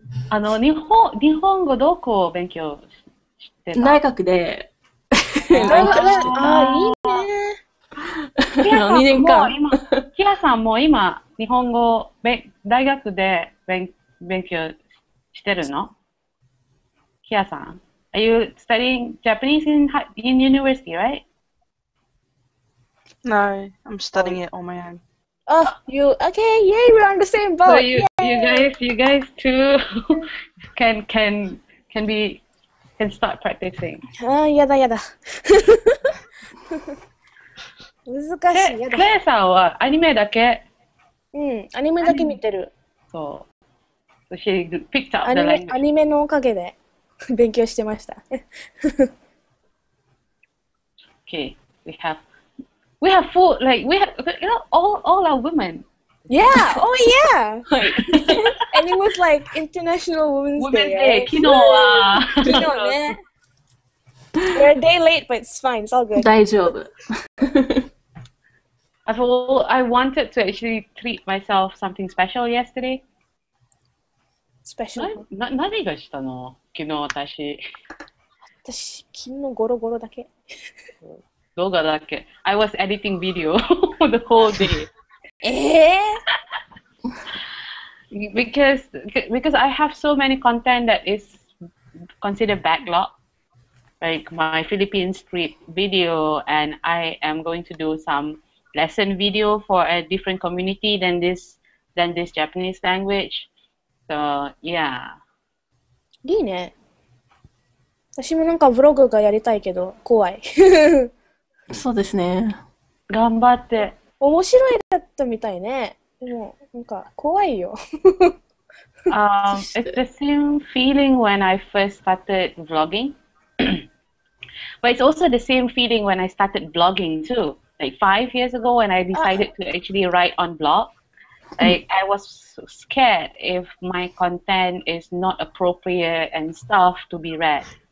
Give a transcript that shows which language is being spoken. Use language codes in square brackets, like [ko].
[ja] あの日本語どこを勉強してた？内閣で勉強してた。ああ、いいね。 2年間。キラさんも今、日本語大学で勉強してるの？ [en] キアさん、Are you studying Japanese in university, right? No, I'm studying it on my own. Oh, you, okay, yay, we're on the same boat. So you guys too can start practicing. Ah, yada yada. [ja] Claire さんはアニメだけ。うん、アニメだけ見てる。そう。 [en] So she picked up the language. [ja] アニメのおかげで勉強してました。 [en] Okay, we have four, like, we have, you know, all are women. Yeah, oh yeah! And it was like International Women's Day. Women's Day, [ja] 昨日は。昨日ね。 [en] We're a day late, but it's fine, it's all good. [ja] 大丈夫。 [en] I wanted to actually treat myself something special yesterday. Special? [ja] 何がしたの昨日私。私、昨日ゴロゴロだけ。動画だけ。 [en] I was editing video for the whole day. because I have so many content that is considered backlog. Like my Philippine script video, and I am going to do some lesson video for a different community than this Japanese language. So, yeah. [ja] いいね。私もなんかブログがやりたいけど、怖い。そうですね。頑張って。面白いだったみたいね。でも、なんか怖いよ。 [en] it's the same feeling when I first started vlogging. But it's also the same feeling when I started blogging too. Like 5 years ago when I decided to actually write on blog. I was scared if my content is not appropriate and stuff to be read.